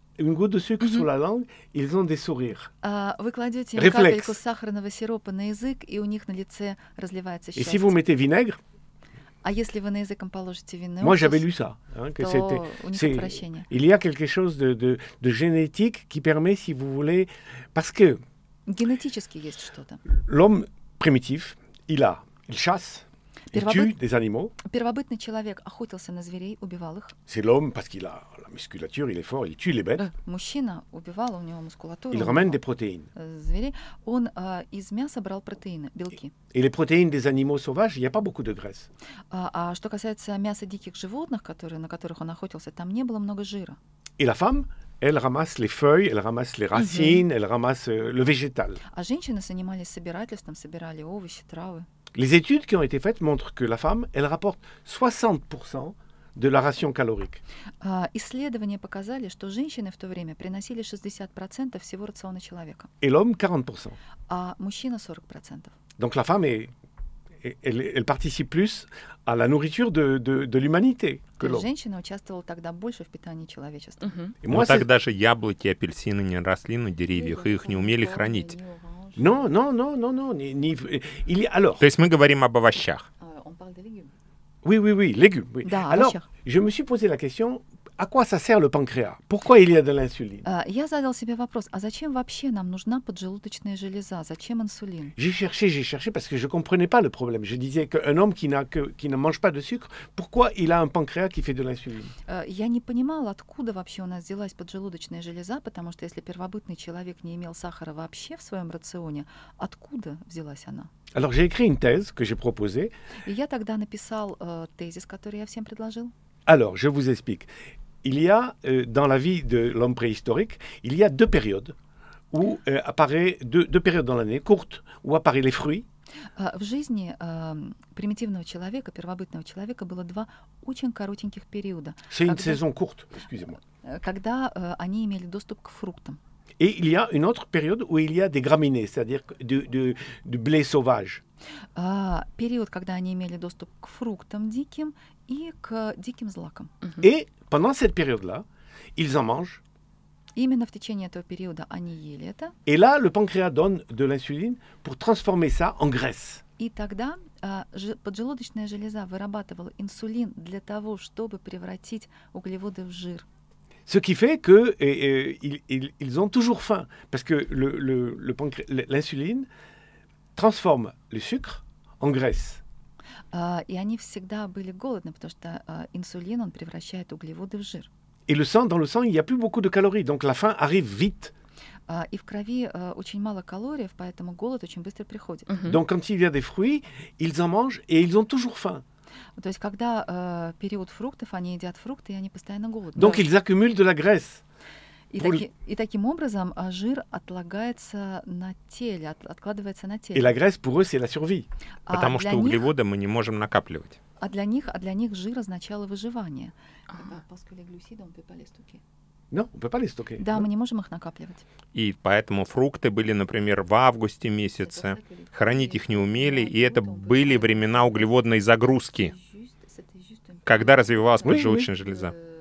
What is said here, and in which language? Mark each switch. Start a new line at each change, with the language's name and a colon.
French: Une goutte de sucre mm-hmm. sur la langue, ils ont des sourires.
Russian: Вы кладете им Reflex. Капельку сахарного сиропа на язык, и у них на лице разливается счастье.
French: Et si vous mettez vinaigre?
Russian: А если вы на языком положите винный
French: Moi, j'avais lu ça. Hein, que c'était,
Russian: у них отвращение.
French: Il y a quelque chose de génétique qui permet, si vous voulez, parce que...
Russian: Генетически есть что-то.
French: L'homme primitif, il chasse...
Russian: Первобытный человек охотился на зверей, убивал их.
French: C'est l'homme parce qu'il a la musculature, il est fort, il tue les bêtes.
Russian: Мужчина убивал, у него мускулатура.
French: Il ramène des protéines.
Russian: Зверей, он из мяса брал протеины, белки.
French: Et les protéines des animaux sauvages, il y a pas beaucoup de graisse.
Russian: А что касается мяса диких животных, которые, на которых он охотился, там не было много жира.
French: Et la femme, elle ramasse les feuilles, elle ramasse les racines, mm-hmm. elle ramasse le végétal.
Russian: А женщины занимались собирательством, собирали овощи, травы.
French: Les études qui ont été faites montrent que la femme, elle rapporte 60% de la ration calorique.
Russian: Исследования показали, что женщины в то время приносили 60% всего рациона человека.
French: Et l'homme 40%.
Russian: А мужчина 40%.
French: Donc la femme est, elle participe plus à la nourriture de l'humanité que l'homme.
Russian: Женщина участвовала тогда больше в питании человечества. Mm-hmm. Но тогда же яблоки, апельсины не росли на деревьях, и их не умели хранить.
French: Non, non, non, non, non, ni, il y a, alors...
Russian: То есть мы говорим об овощах.
French: On parle des légumes. Oui, oui, oui, légumes, oui.
Russian: Да,
French: alors,
Russian: овощах.
French: Je me suis posé la question, à quoi ça sert le pancréas? Pourquoi il y a de l'insuline?
Russian: Я задал себе вопрос, а зачем вообще нам нужна поджелудочная железа? Зачем инсулин?
French: J'ai cherché, parce que je comprenais pas le problème. Je disais qu'un homme qui ne mange pas de sucre, pourquoi il a un pancréas qui fait de l'insuline?
Russian: Я не понимал, откуда вообще у нас взялась поджелудочная железа, потому что если первобытный человек не имел сахара вообще в своем рационе, откуда взялась она?
French: Alors j'ai écrit une thèse que j'ai proposée.
Russian: И я тогда написал тезис, который я всем предложил.
French: Alors, je vous explique. Il y a, dans la vie de l'homme préhistorique, il y a deux périodes où apparaît deux périodes dans l'année, courtes, où apparaît les fruits.
Russian: В жизни примитивного человека, первобытного человека, было два очень коротеньких периода.
French: C'est une saison courte, excusez-moi.
Russian: Когда они имели доступ к фруктам.
French: Et il y a une autre période où il y a des graminées, c'est-à-dire du blé sauvage.
Russian: Период, когда они имели доступ к фруктам диким и к диким злакам. Uh-huh.
French: Et pendant cette période-là, ils en mangent.
Russian: Именно в течение этого периода они ели это.
French: Et là, le pancréas donne de l'insuline pour transformer ça en graisse.
Russian: И тогда поджелудочная железа вырабатывала инсулин для того, чтобы превратить углеводы в жир.
French: Ce qui fait que ils ont toujours faim parce que le pancréas, l'insuline transforme le sucre en graisse.
Russian: И они всегда были голодны, потому что инсулин он превращает углеводы в жир.
French: Et le sang, dans le sang, il y a plus beaucoup de calories, donc la faim arrive vite.
Russian: И в крови очень мало калорий, поэтому голод очень быстро приходит. Uh-huh.
French: Donc quand il y a des fruits, ils en mangent et ils ont toujours faim.
Russian: То есть когда период фруктов, они едят фрукты, и они постоянно голодны.
French: Donc ils accumulent de la graisse.
Russian: И таким образом жир отлагается на теле, откладывается на теле.
French: Et la graisse pour eux c'est la survie.
Russian: Потому что углеводы мы не можем накапливать. А для них жир означало выживание.
French: Parce que les glucides on peut pas les stocker.
Russian: Но попались только. Да, мы не можем их накапливать. И поэтому фрукты были, например, в августе месяце, хранить их не умели, и это были времена углеводной загрузки, когда развивалась поджелудочная железа.